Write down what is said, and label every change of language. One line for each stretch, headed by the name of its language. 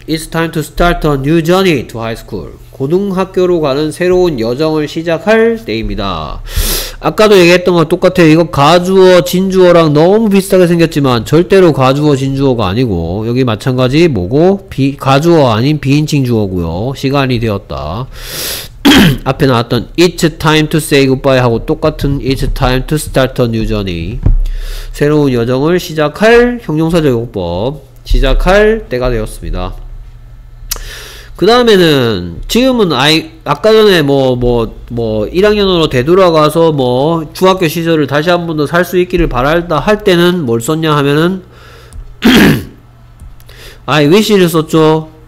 English: It's time to start a new journey to high school.
Korean: 고등학교로 가는 새로운 여정을 시작할 때입니다. 아까도 얘기했던 거 똑같아요. 이거 가주어 진주어랑 너무 비슷하게 생겼지만 절대로 가주어 진주어가 아니고 여기 마찬가지 뭐고 비, 가주어 아닌 비인칭 주어고요. 시간이 되었다. 앞에 나왔던
English: It's time to say goodbye
Korean: 하고 똑같은
English: It's time to start a new journey.
Korean: 새로운 여정을 시작할 형용사 적용법. 시작할 때가 되었습니다. 그 다음에는 지금은 아이 아까 전에 뭐 1학년으로 되돌아가서 뭐 중학교 시절을 다시 한 번 더 살 수 있기를 바랄다 할 때는 뭘 썼냐 하면은
English: I wish
Korean: 를 썼죠.